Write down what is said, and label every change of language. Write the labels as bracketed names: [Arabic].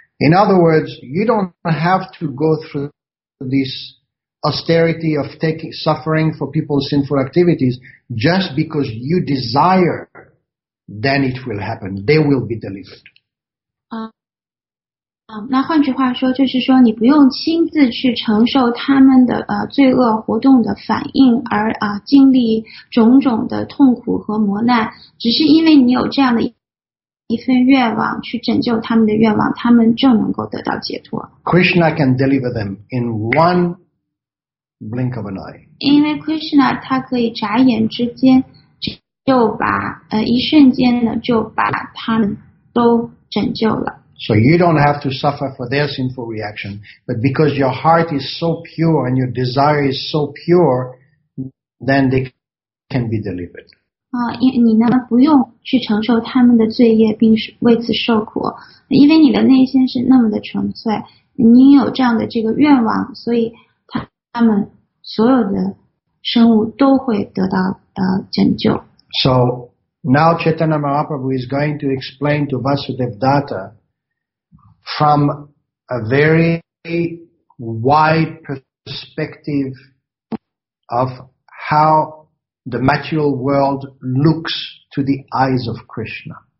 [English] In other words, you don't have to go through thisAusterity of taking suffering for people's sinful activities just because you desire, then it will happen. They will be delivered. [Chinese] 那换句话说，就是说你不用亲自去承受他们的罪恶活动的反应，而经历种种的痛苦和磨难，只是因为你有这样的一一份愿望去拯救他们的愿望，他们就能够得到解脱。 [English] Krishna can deliver them in one blink of an eye. [Chinese] 因为 Krishna 他可以眨眼之间就把一瞬间呢就把他们都拯救了。 [English] So you don't have to suffer for their sinful reaction, but because your heart is so pure and your desire is so pure, then they can be delivered. [Chinese] 你呢不用去承受他们的罪业并为此受苦，因为你的内心是那么的纯粹，你有这样的这个愿望，所以他们所有的生物都会得到拯救。 [English] So now Chaitanya Mahaprabhu is going to explain to Vasudev Datta from a very wide perspective of how the material world looks to the eyes of Krishna.